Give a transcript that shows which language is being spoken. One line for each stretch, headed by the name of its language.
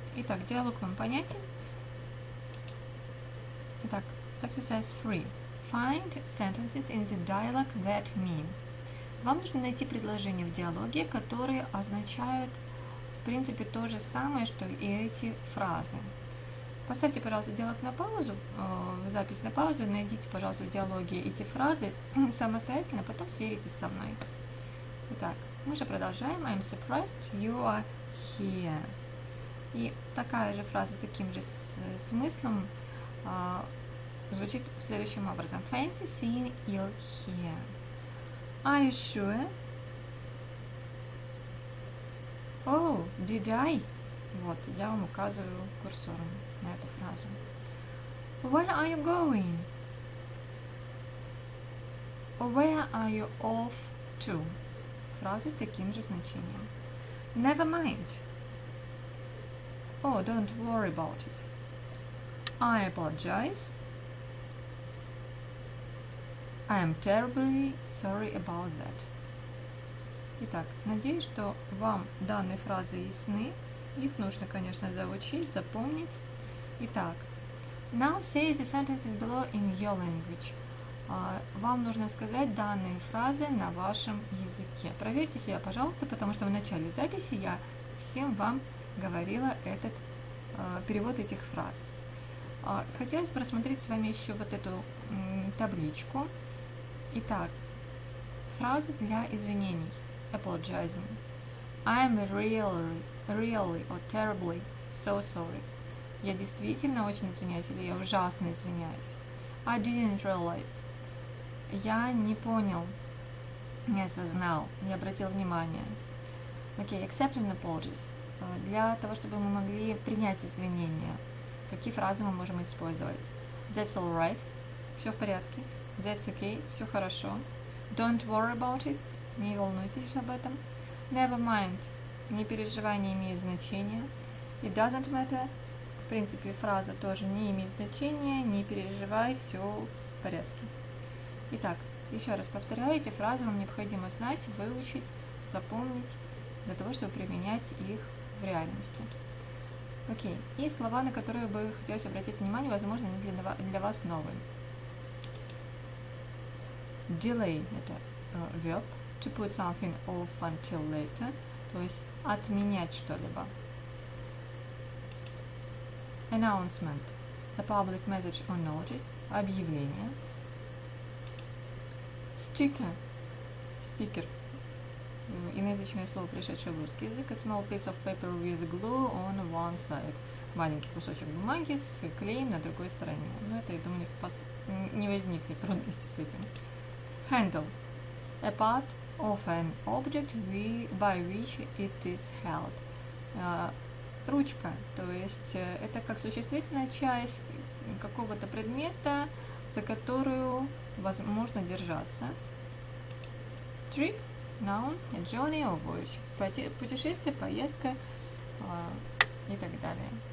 Russian: Итак, диалог вам понятен? Итак,
English: exercise 3. Find sentences in the dialogue that mean.
Russian: Вам нужно найти предложения в диалоге, которые означают, в принципе, то же самое, что и эти фразы. Поставьте, пожалуйста, диалог на паузу, запись на паузу, найдите, пожалуйста, в диалоге эти фразы самостоятельно, потом сверитесь со мной. Итак, мы же продолжаем.
English: I'm surprised you are here.
Russian: И такая же фраза с таким же смыслом звучит следующим образом.
English: Fancy seeing you here. Are you sure? Oh, did I?
Russian: Вот, я вам указываю курсором на эту фразу.
English: Where are you going? Where are you off to?
Russian: фразы с таким же значением.
English: Never mind. Oh, don't worry about it. I apologize. I am terribly sorry about that.
Russian: Итак, надеюсь, что вам данные фразы ясны. Их нужно, конечно, заучить, запомнить. Итак,
English: now say the sentences below in your language.
Russian: Вам нужно сказать данные фразы на вашем языке. Проверьте себя, пожалуйста, потому что в начале записи я всем вам говорила этот перевод этих фраз. Хотелось бы рассмотреть с вами еще вот эту табличку. Итак, фразы для извинений.
English: Apologizing. I am really, really or terribly so sorry.
Russian: Я действительно очень извиняюсь, или я ужасно извиняюсь.
English: I didn't realize.
Russian: Я не понял, не осознал, не обратил внимания.
English: Окей, accepting apologies.
Russian: Для того, чтобы мы могли принять извинения, какие фразы мы можем использовать?
English: That's all right.
Russian: Все в порядке.
English: That's okay.
Russian: Все хорошо.
English: Don't worry about it.
Russian: Не волнуйтесь об этом.
English: Never mind.
Russian: Не переживай, не имеет значения.
English: It doesn't matter.
Russian: В принципе, фраза тоже не имеет значения. Не переживай, все в порядке. Итак, еще раз повторяю, эти фразы вам необходимо знать, выучить, запомнить, для того, чтобы применять их в реальности. Окей, и слова, на которые бы хотелось обратить внимание, возможно, они для вас новые.
English: Delay – это verb, to put something off until later,
Russian: то есть отменять что-либо.
English: Announcement – a public message or notice –
Russian: объявление. Стикер. Иноязычное слово, пришедшее в русский язык.
English: A small piece of paper with glue on one side.
Russian: Маленький кусочек бумаги с клеем на другой стороне. Но это, я думаю, не возникнет трудности с этим.
English: Handle. A part of an object by which it is held.
Russian: Ручка. То есть это как существительная часть какого-то предмета, за которую возможно держаться.
English: Trip, noun, a journey or voyage.
Russian: Путешествие, поездка и так далее.